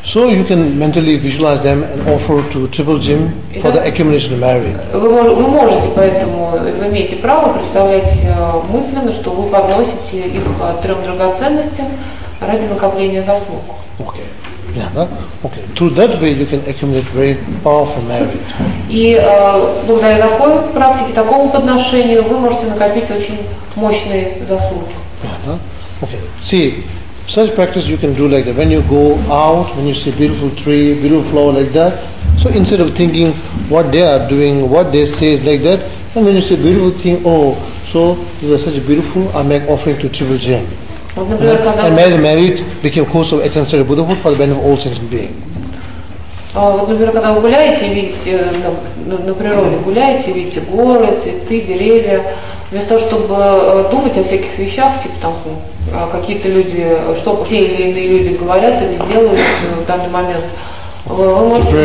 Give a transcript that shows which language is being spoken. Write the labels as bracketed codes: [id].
[en] So you can mentally visualize them and offer to Triple Jim for the accumulation of merit. [ru] Вы можете, поэтому вы имеете право представлять мысленно, что вы подносите их трем драгоценностям ради накопления заслуг. [en] Okay. Yeah, okay. Through that way you can accumulate very powerful merit. [ru] И благодаря такой практике, такому подношению, вы можете накопить очень мощные заслуги. [en] Okay. See. Such practice you can do like that. When you go out, when you see beautiful tree, beautiful flower like that, so instead of thinking what they are doing, what they say is like that, and when you see beautiful thing, oh, so these are such beautiful, I make offering to Triple Jim. And may the merit become course of essence of Buddhahood for the benefit of all sentient beings. [ru] Вот, например, когда вы гуляете и видите на природе, гуляете, видите горы, цветы, деревья, вместо того, чтобы думать о всяких вещах, типа там какие-то люди, что те или иные люди говорят или делают в данный момент, вы можете.